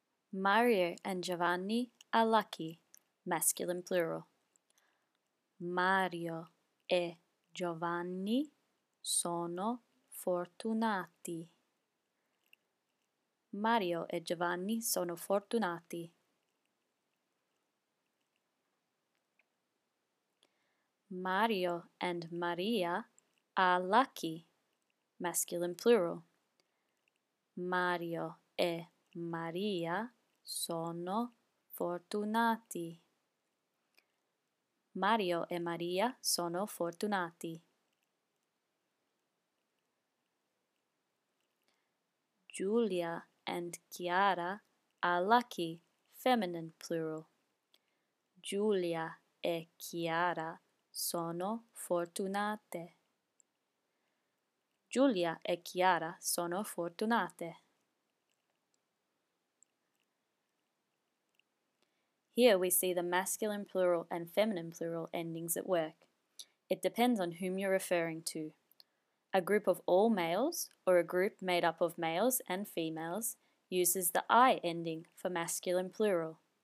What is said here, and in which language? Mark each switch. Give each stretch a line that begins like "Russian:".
English: Mario and Giovanni are lucky. Masculine plural.
Italian: Mario e Giovanni sono fortunati. Mario e Giovanni sono fortunati.
English: Mario and Maria are lucky. Masculine plural.
Italian: Mario e Maria sono fortunati. Mario e Maria sono fortunati.
English: Giulia and Chiara are lucky, feminine plural.
Italian: Giulia e Chiara sono fortunate. Giulia e Chiara sono fortunate.
English: Here we see the masculine plural and feminine plural endings at work. It depends on whom you're referring to. A group of all males, or a group made up of males and females, uses the I ending for masculine plural.